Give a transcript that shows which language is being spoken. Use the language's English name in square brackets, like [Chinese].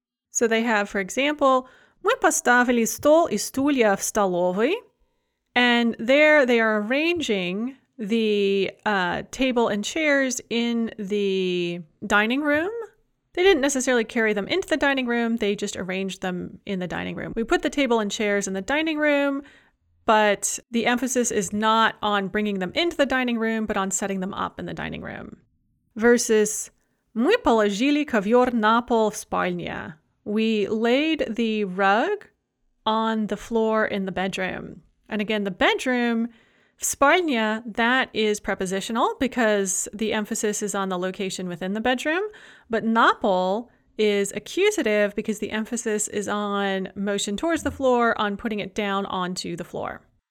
[English] So they have, for example, [Russian] мы поставили стол и стулья в столовой, [English] and there they are arranging the table and chairs in the dining room. They didn't necessarily carry them into the dining room, they just arranged them in the dining room. We put the table and chairs in the dining room, but the emphasis is not on bringing them into the dining room, but on setting them up in the dining room. [Russian] Versus, мы положили ковёр на пол в спальне. [English] We laid the rug on the floor in the bedroom. And again, the bedroom, в спальне, that is prepositional because the emphasis is on the location within the bedroom. But на пол is accusative because the emphasis is on motion towards the floor, on putting it down onto the floor.